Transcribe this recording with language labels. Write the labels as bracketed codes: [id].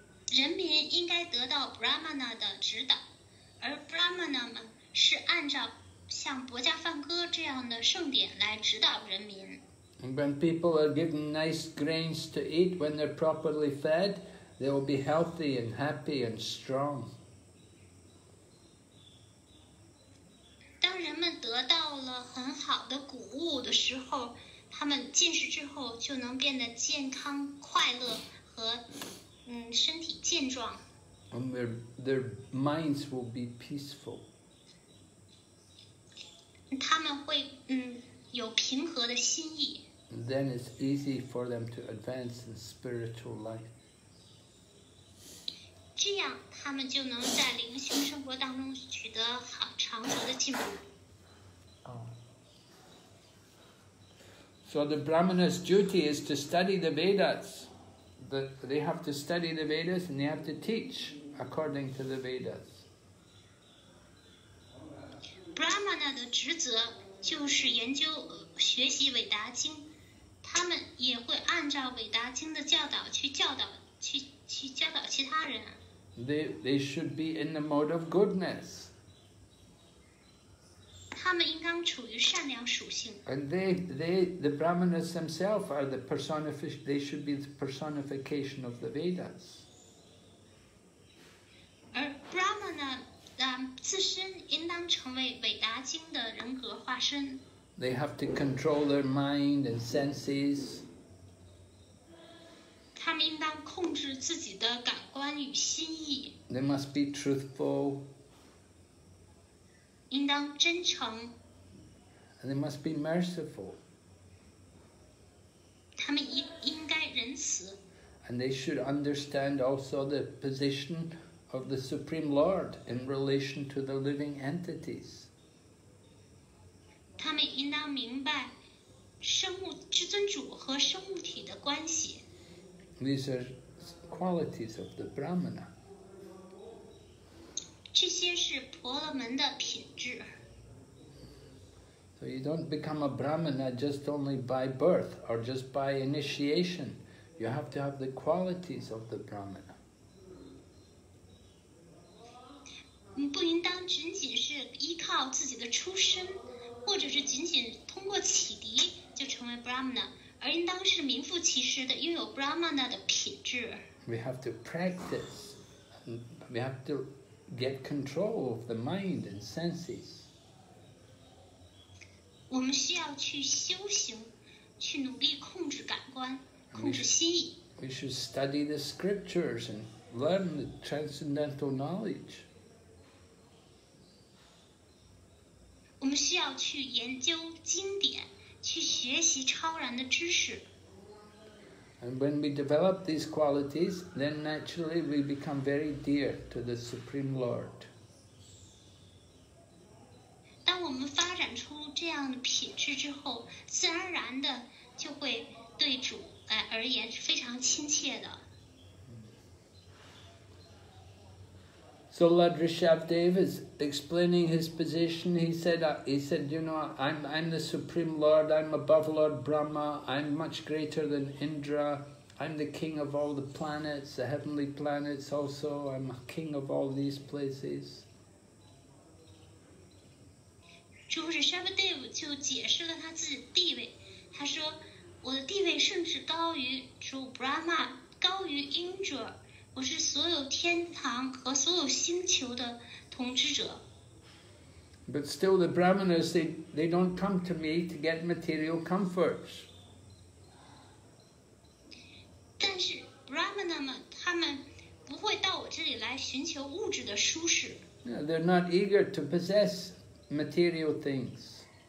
[zh] 人民应该得到 Brahmana 的指导，而 Brahmana 们是按照像《博迦梵歌》这样的圣典来指导人民。 [en] And when people are given nice grains to eat when they're properly fed,They will be healthy and happy and strong. [zh] 当人们得到了很好的谷物的时候，他们进食之后就能变得健康、快乐和身体健壮。 [en] And their minds will be peaceful. [zh] 他们会有平和的心意。 [en] Then it's easy for them to advance in spiritual life. [zh] 这样，他们就能在灵修生活当中取得好长足的进步。 [en] So the Brahmana's duty is to study the Vedas. They have to study the Vedas and they have to teach according to the Vedas. [zh] Brahmana 的职责就是研究学习韦达经，他们也会按照韦达经的教导去教导其他人。 [en] They should be in the mode of goodness. [zh] 他们应当处于善良属性。 [en] And the Brahmanas themselves are the personification, they should be the personification of the Vedas. [zh] 而 Brahmana 自身应当成为韦达经的人格化身。 [en] They have to control their mind and senses. [zh] 他们应当控制自己的感官与心意。 [en] They must be truthful. [zh] 应当真诚。 [en] And they must be merciful. [zh] 他们应该仁慈。 [en] And they should understand also the position of the Supreme Lord in relation to the living entities. [zh] 他们应当明白生物至尊主和生物体的关系。 [en] These are qualities of the Brahmana. [zh] 这些是婆罗门的品质。 [en] So you don't become a Brahmana just only by birth or just by initiation. You have to have the qualities of the Brahmana. [zh] 你不应当仅仅是依靠自己的出身，或者是仅仅通过启迪就成为 Brahmana。而应当是名副其实的拥有 Brahmana 的品质。 [en] We have to practice. We have to get control of the mind and senses. [zh] 我们需要去修行，去努力控制感官，控制心意。 [en] We should study the scriptures and learn the transcendental knowledge. [zh] 我们需要去研究经典。去学习超然的知识。 [en] And when we develop these qualities, then naturally we become very dear to the Supreme Lord. [zh] 当我们发展出这样的品质之后，自然而然的就会对主而言是非常亲切的。 [en] So Lord Rishabhdev is explaining his position. He said, you know, I'm the Supreme Lord. I'm above Lord Brahma. I'm much greater than Indra. I'm the king of all the planets, the heavenly planets also. I'm a king of all these places. [zh] Lord Rishabhdev 就解释了他自己的地位。他说，我的地位甚至高于主 Brahma， 高于 Indra，我是所有天堂和所有星球的统治者。 [en] But still the Brahmanas, they don't come to me to get material comforts. [zh] 但是 Brahmana 们，他们不会到我这里来寻求物质的舒适。 [en] Yeah, they're not eager to possess material things.